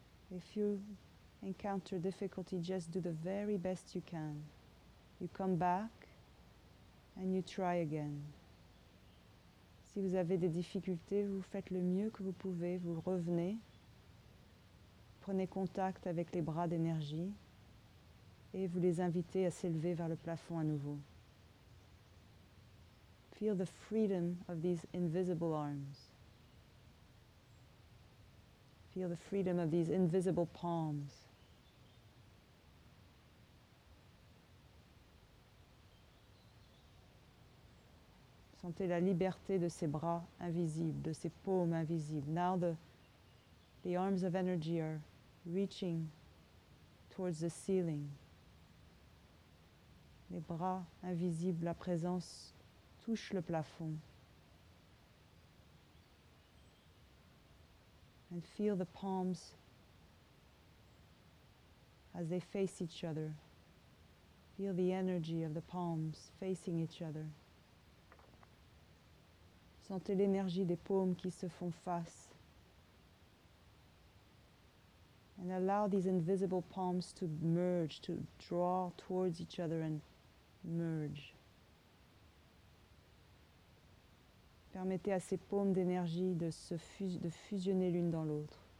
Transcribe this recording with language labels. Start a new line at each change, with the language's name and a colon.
English: If you encounter difficulty, just do the very best you can. You come back and you try again.
French: Si vous avez des difficultés, vous faites le mieux que vous pouvez, vous revenez, prenez contact avec les bras d'énergie et vous les invitez à s'élever vers le plafond à nouveau.
English: Feel the freedom of these invisible arms. Feel the freedom of these invisible palms.
French: Sentez la liberté de ces bras invisibles, de ces paumes invisibles.
English: Now the arms of energy are reaching towards the ceiling.
French: Les bras invisibles, la présence, touchent le plafond.
English: And feel the palms as they face each other. Feel the energy of the palms facing each other.
French: Sentez l'énergie des paumes qui se font face.
English: And allow these invisible palms to merge, to draw towards each other and merge.
French: Permettez à ces paumes d'énergie de fusionner l'une dans l'autre.